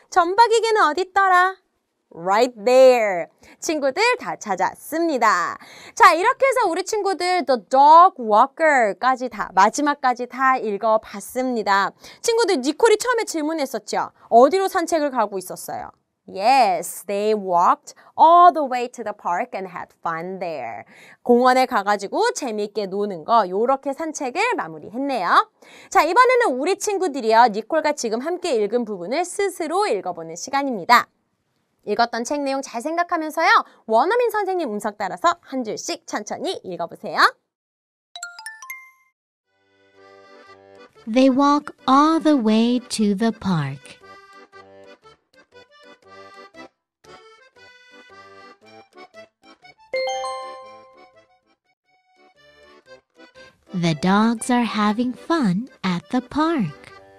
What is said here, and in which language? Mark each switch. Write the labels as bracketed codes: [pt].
[ko] 점박이 개는 어디 있더라? [en] Right there. [ko] 친구들 다 찾았습니다. 자, 이렇게 해서 우리 친구들 The Dog Walker까지 다, 마지막까지 다 읽어봤습니다. 친구들, 니콜이 처음에 질문했었죠? 어디로 산책을 가고 있었어요? [en] Yes, they walked all the way to the park and had fun there. [ko] 공원에 가가지고 재미있게 노는 거, 요렇게 산책을 마무리했네요. 자, 이번에는 우리 친구들이요. 니콜과 지금 함께 읽은 부분을 스스로 읽어보는 시간입니다. 읽었던 책 내용 잘 생각하면서요. 원어민 선생님 음성 따라서 한 줄씩 천천히 읽어보세요. [en] They walk all the way to the park. The dogs are having fun at the park.